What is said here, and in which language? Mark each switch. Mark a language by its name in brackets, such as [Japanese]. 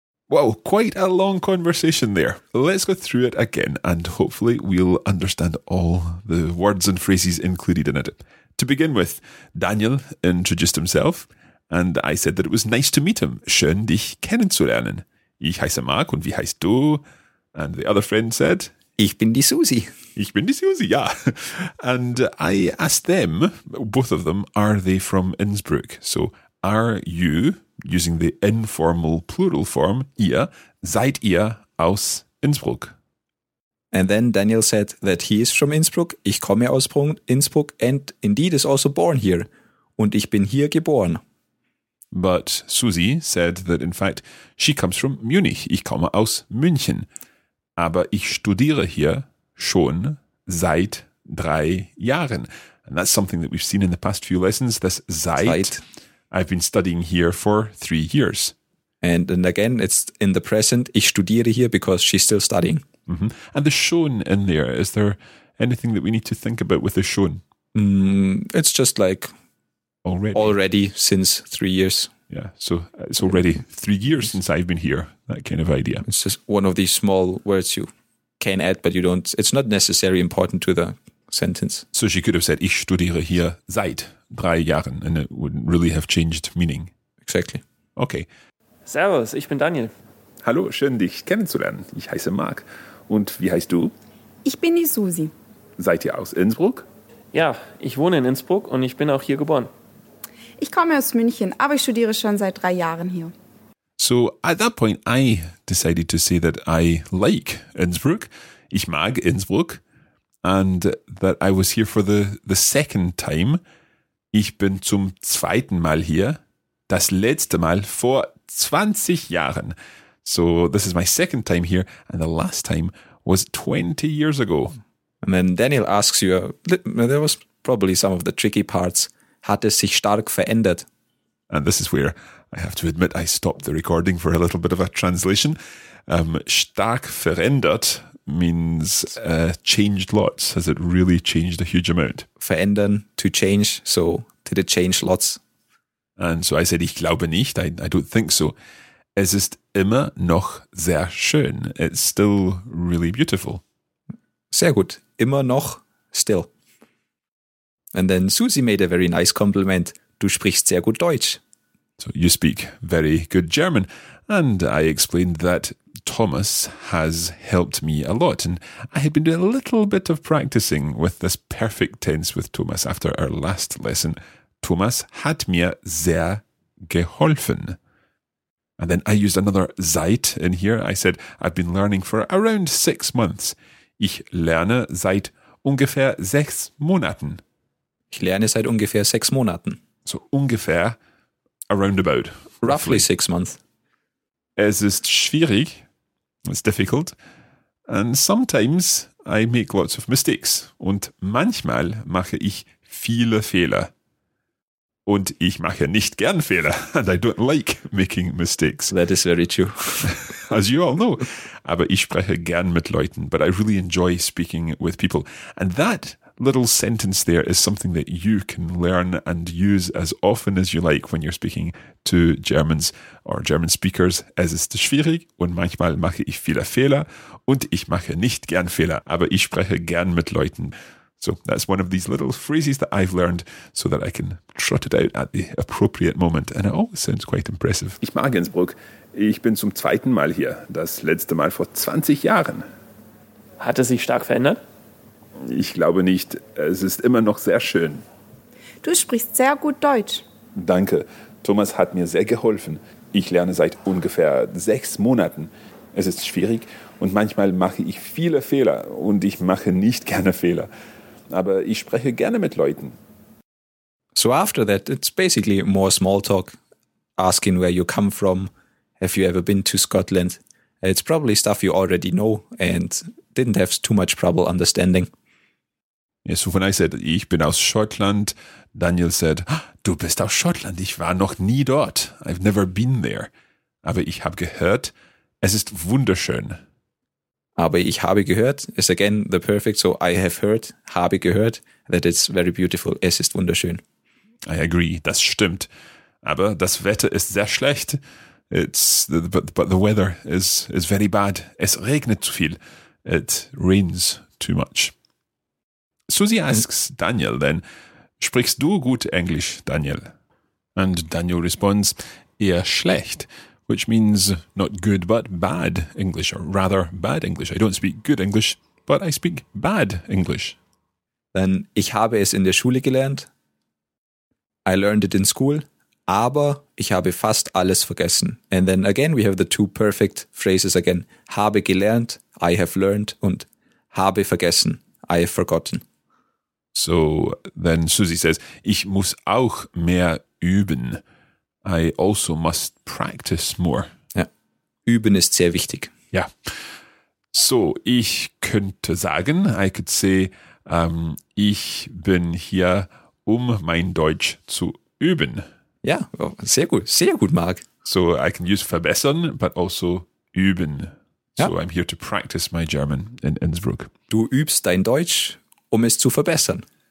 [English] Wow, quite a long conversation there. Let's go through it again and hopefully we'll understand all the words and phrases included in it. To begin with, Daniel introduced himself and I said that it was nice to meet him. [German] Schön, dich kennenzulernen. Ich heiße Marc und wie heißt du? [English] And the other friend said, [German] ich bin die Susi. Ich bin die Susi, ja. [English] And I asked them, both of them, are they from Innsbruck? So, are you, using the informal plural form, ihr, [German] seid ihr aus Innsbruck? [English] And then Daniel said that he is from Innsbruck. [German] Ich komme aus Innsbruck [English] and indeed is also born here. [German] Und ich bin hier geboren. [English] But Susie said that in fact she comes from Munich. [German] Ich komme aus München. Aber ich studiere hier schon seit 3 Jahren. [English] And that's something that we've seen in the past few lessons. This seit, I've been studying here for 3 years. And again, it's in the present. [German] Ich studiere hier [English] because she's still studying. Mm-hmm. And the schon in there, is there anything that we need to think about with the schon? It's just like Already since 3 years. Yeah, so it's already 3 years since I've been here, that kind of idea. It's just one of these small words you can add, but you don't, it's not necessarily important to the sentence. So she could have said, [German] ich studiere hier seit 3 Jahren, [English] and it wouldn't really have changed meaning. Exactly. Okay. [German] Servus, ich bin Daniel. Hallo, schön dich kennenzulernen. Ich heiße Marc. Und wie heißt du? Ich bin die Susi. Seid ihr aus Innsbruck? Ja, ich wohne in Innsbruck und ich bin auch hier geboren. Ich komme aus München, aber ich studiere schon seit 3 Jahren hier. [English] So at that point I decided to say that I like Innsbruck. [German] Ich mag Innsbruck. [English] And that I was here for the second time. [German] Ich bin zum zweiten Mal hier. Das letzte Mal vor 20 Jahren. [English] So this is my second time here. And the last time was 20 years ago. And then Daniel asks you, there was probably some of the tricky parts. [German] Hat es sich stark verändert? [English] And this is where I have to admit I stopped the recording for a little bit of a translation. Stark verändert means changed lots. Has it really changed a huge amount? Verändern, to change. So did it change lots? And so I said, [German] ich glaube nicht. [English] I don't think so. [German] Es ist immer noch sehr schön. [English] It's still really beautiful. [German] Sehr gut. Immer noch, still. [English] And then Susi made a very nice compliment. [German] Du sprichst sehr gut Deutsch. [English] So you speak very good German. And I explained that Thomas has helped me a lot. And I had been doing a little bit of practicing with this perfect tense with Thomas after our last lesson. [German] Thomas hat mir sehr geholfen. [English] And then I used another seit in here. I said, I've been learning for around 6 months. [German] Ich lerne seit ungefähr 6 Monaten. Ich lerne seit ungefähr 6 Monaten. [English] So ungefähr, around about. Roughly 6 months. [German] Es ist schwierig. [English] It's difficult. And sometimes I make lots of mistakes. [German] Und manchmal mache ich viele Fehler. Und ich mache nicht gern Fehler. [English] And I don't like making mistakes. That is very true. As you all know. [German] Aber ich spreche gern mit Leuten. [English] But I really enjoy speaking with people. And that little sentence there is something that you can learn and use as often as you like when you're speaking to Germans or German speakers. [German] Es ist schwierig und manchmal mache ich viele Fehler und ich mache nicht gern Fehler, aber ich spreche gern mit Leuten. [English] So that's one of these little phrases that I've learned so that I can trot it out at the appropriate moment. And it always sounds quite impressive. [German] Ich mag Innsbruck. Ich bin zum zweiten Mal hier. Das letzte Mal vor 20 Jahren. Hat es sich stark verändert? Ich glaube nicht. Es ist immer noch sehr schön. Du sprichst sehr gut Deutsch. Danke. Thomas hat mir sehr geholfen. Ich lerne seit ungefähr 6 Monaten. Es ist schwierig und manchmal mache ich viele Fehler und ich mache nicht gerne Fehler. Aber ich spreche gerne mit Leuten. [English] So after that, it's basically more small talk. Asking where you come from. Have you ever been to Scotland? It's probably stuff you already know and didn't have too much trouble understanding. Yeah, so when I said, [German] ich bin aus Schottland, Daniel said, du bist aus Schottland, ich war noch nie dort. [English] I've never been there. [German] Aber ich habe gehört, es ist wunderschön. Aber ich habe gehört, [English] is again the perfect, so I have heard, [German] habe gehört, [English] that it's very beautiful, [German] es ist wunderschön. [English] I agree, [German] das stimmt. Aber das Wetter ist sehr schlecht. [English] But the weather is very bad. [German] Es regnet zu viel. [English] It rains too much. Susi asks Daniel then, [German] sprichst du gut Englisch, [English] Daniel? And Daniel responds, [German] eher schlecht, [English] which means not good but bad English, or rather bad English. I don't speak good English, but I speak bad English. [German] Then, ich habe es in der Schule gelernt. [English] I learned it in school. [German] Aber ich habe fast alles vergessen. [English] And then again, we have the two perfect phrases again. [German] Habe gelernt, [English] I have learned, [German] und habe vergessen, [English] I have forgotten. So then Susi says, [German] ich muss auch mehr üben. [English] I also must practice more. [German] Ja, üben ist sehr wichtig. Ja. So, ich könnte sagen, [English] I could say, [German] ich bin hier, um mein Deutsch zu üben. Ja, sehr gut, Marc. [English] So I can use verbessern, but also üben. Ja. So I'm here to practice my German in Innsbruck. [German] Du übst dein Deutsch, um es zu verbessern.